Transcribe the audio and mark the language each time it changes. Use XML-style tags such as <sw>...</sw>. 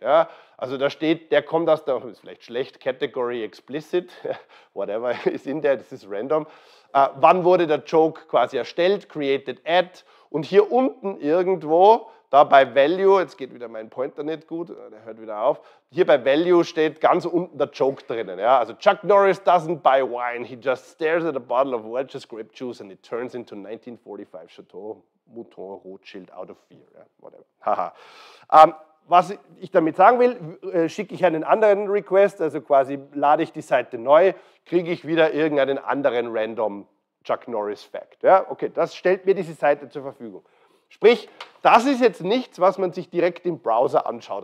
<de>Ja, also da steht, der kommt aus der, ist vielleicht schlecht,</de> <en>Category Explicit, whatever is in there,</en> <de>das ist random. Wann wurde der Joke quasi erstellt, created at, und hier unten irgendwo, da bei Value, jetzt geht wieder mein Pointer nicht gut, der hört wieder auf, hier bei Value steht ganz unten der Joke drinnen. Ja?</de> <en>Also Chuck Norris doesn't buy wine, he just stares at a bottle of Welch's grape juice and it turns into 1945 Chateau Mouton Rothschild out of fear.</en> <de>Ja? Whatever. Was ich damit sagen will, schicke ich einen anderen Request, also quasi lade ich die Seite neu, kriege ich wieder irgendeinen anderen random Chuck Norris Fact. Ja? Okay, das stellt mir diese Seite zur Verfügung. Sprich, das ist jetzt nichts, was man sich direkt im Browser anschaut.</de>